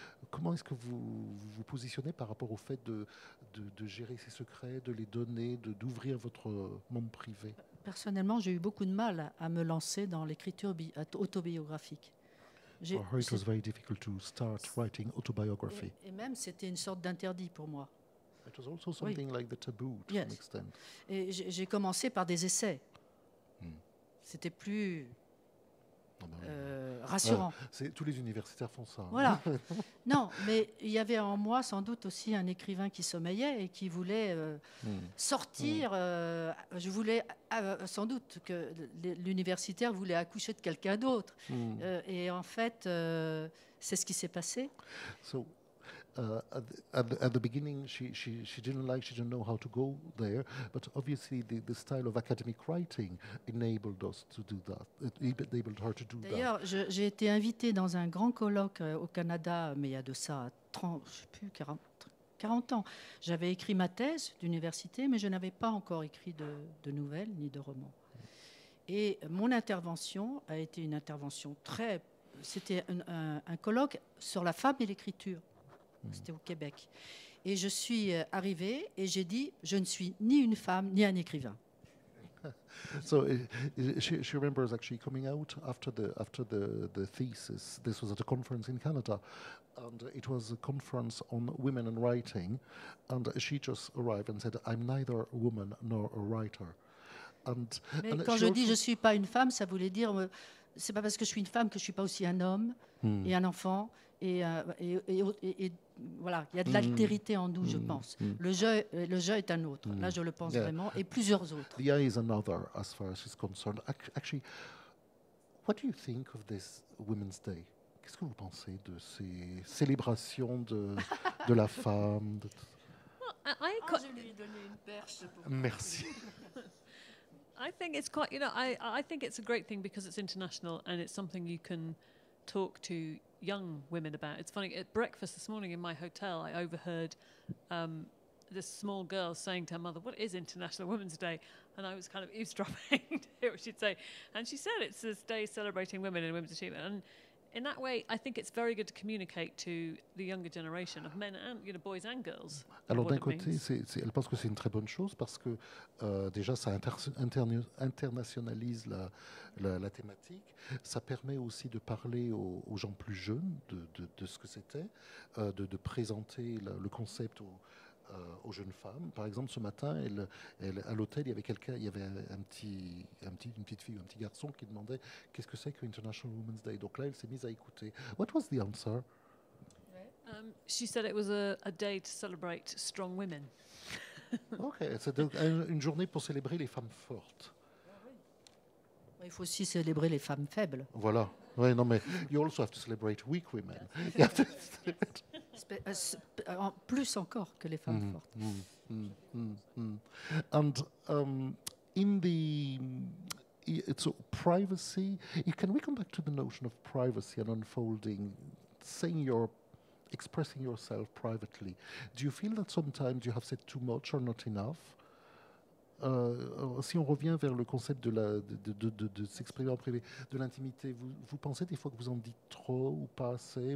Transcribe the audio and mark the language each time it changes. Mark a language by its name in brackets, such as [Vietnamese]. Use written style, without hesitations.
[French] Comment est-ce que vous positionnez par rapport au fait de gérer ces secrets, de les donner, d'ouvrir votre monde privé? Personnellement, j'ai eu beaucoup de mal à me lancer dans l'écriture autobiographique. [English] It was very difficult to start writing autobiography. [French] Et même, c'était une sorte d'interdit pour moi. [English] It was also something like the taboo to some extent. [French] Et j'ai commencé par des essais. C'était plus rassurant. Tous les universitaires font ça. Voilà. Non, mais il y avait en moi sans doute aussi un écrivain qui sommeillait et qui voulait sortir. Je voulais sans doute que l'universitaire voulait accoucher de quelqu'un d'autre. Et en fait, c'est ce qui s'est passé. [English] So, at the beginning, she didn't like, she didn't know how to go there. But obviously, the style of academic writing enabled us to do that. It enabled her to do that. [French] D'ailleurs, j'ai été invitée dans un grand colloque au Canada, mais il y a de ça 40 ans. J'avais écrit ma thèse d'université, mais je n'avais pas encore écrit de nouvelles ni de romans. Et mon intervention a été une intervention très. C'était un colloque sur la femme et l'écriture. C'était au Québec. Et je suis arrivée et j'ai dit, je ne suis ni une femme, ni un écrivain. [English] So she remembers actually coming out after the thesis. This was at a conference in Canada, and it was a conference on women and writing. And she just arrived and said, I'm neither a woman nor a writer. [French] Mais quand je dis, je ne suis pas une femme, ça voulait dire, c'est pas parce que je suis une femme que je ne suis pas aussi un homme et un enfant. Voilà, il y a de l'altérité en nous, je pense. Le jeu est un autre. Là, je le pense vraiment, et plusieurs autres. [English] The eye is another, as far as she's concerned. Actually, what do you think of this Women's Day? [French] Qu'est-ce que vous pensez de ces célébrations de la femme? Je lui ai donné une perche. Merci. [English] I think it's quite, you know, I think it's a great thing because it's international and it's something you can talk to young women about. It's funny, at breakfast this morning in my hotel, I overheard this small girl saying to her mother, what is International Women's Day? And I was kind of eavesdropping to hear what she'd say. And she said, it's this day celebrating women and women's achievement. And in that way, I think it's very good to communicate to the younger generation of men and, you know, boys and girls. [French] Alors d'un côté, elle pense que c'est une très bonne chose parce que déjà ça internationalise la thématique. Ça permet aussi de parler aux gens plus jeunes de ce que c'était, de présenter le concept aux jeunes femmes. Par exemple, ce matin, elle, à l'hôtel, il y avait quelqu'un, il y avait une petite fille ou un petit garçon qui demandait qu'est-ce que c'est que International Women's Day. Donc là, elle s'est mise à écouter. [English] What was the answer? She said it was a day to celebrate strong women. [French] Okay, c'est donc une journée pour célébrer les femmes fortes. Il faut aussi célébrer les femmes faibles. Voilà. Oui, non, mais [English] you also have to celebrate weak women. You have to celebrate. [French] Plus encore que les femmes fortes. [English] And in the it's a privacy. Can we come back to the notion of privacy and unfolding, saying your, expressing yourself privately? Do you feel that sometimes you have said too much or not enough? [French] Si on revient vers le concept de s'exprimer en privé, de l'intimité, vous pensez des fois que vous en dites trop ou pas assez?